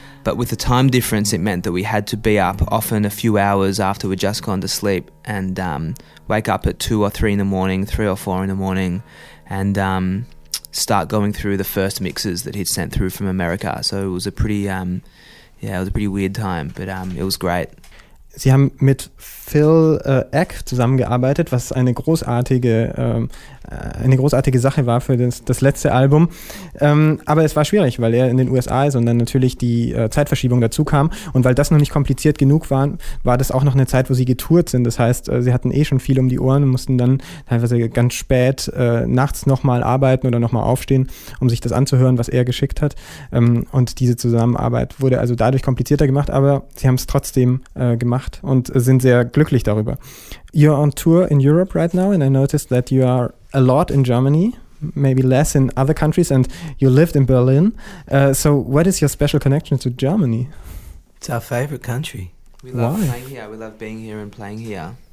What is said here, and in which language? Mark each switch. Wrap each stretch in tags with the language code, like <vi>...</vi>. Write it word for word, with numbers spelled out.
<en>But with the time difference, it meant that we had to be up often a few hours after we'd just gone to sleep and um, wake up at two or three in the morning, three or four in the morning, and um, start going through the first mixes that he'd sent through from America. So it was a pretty, um, yeah, it was a pretty weird time, but um, it was great.</en> <de>Sie haben mit Phil äh, Eck zusammengearbeitet, was eine großartige, ähm, eine großartige Sache war für das, das letzte Album. Ähm, aber es war schwierig, weil er in den U S A ist und dann natürlich die äh, Zeitverschiebung dazu kam. Und weil das noch nicht kompliziert genug war, war das auch noch eine Zeit, wo sie getourt sind. Das heißt, äh, sie hatten eh schon viel um die Ohren und mussten dann teilweise ganz spät äh, nachts nochmal arbeiten oder nochmal aufstehen, um sich das anzuhören, was er geschickt hat. Ähm, und diese Zusammenarbeit wurde also dadurch komplizierter gemacht, aber sie haben es trotzdem äh, gemacht. Und sind sehr glücklich darüber.</de> <en>You're on tour in Europe right now, and I noticed that you are a lot in Germany, maybe less in other countries, and you lived in Berlin. Uh, so what is your special connection to Germany? It's our favorite country. We love Why? playing here. We love being here and playing here.</en>